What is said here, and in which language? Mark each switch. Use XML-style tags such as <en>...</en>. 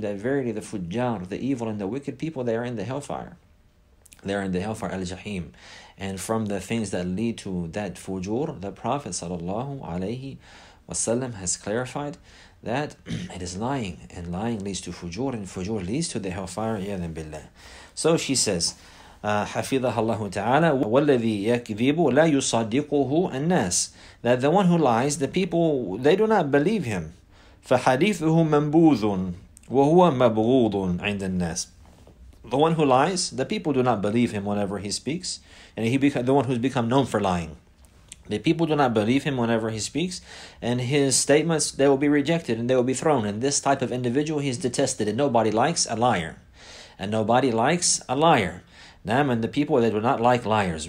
<en>That verily the fujjar, the evil and the wicked people, they are in the hellfire. They are in the hellfire, al-jahim. And from the things that lead to that fujur, the Prophet sallallahu alayhi wasallam has clarified that it is lying, and lying leads to fujur, and fujur leads to the hellfire, iyadhan billah. So she says,</en> <ar>حفظها الله تعالى والذي يكذب لا يصدقه الناس.</ar> <en>That the one who lies, the people, they do not believe him.</en> <ar>فحديثه منبوذ وهو مبغوض عند الناس.</ar> <en>The one who lies, the people do not believe him whenever he speaks. And the one who's become known for lying. The people do not believe him whenever he speaks, and his statements, they will be rejected and they will be thrown. And this type of individual, he is detested, and nobody likes a liar. And nobody likes a liar. Naam, and the people, they do not like liars.</en>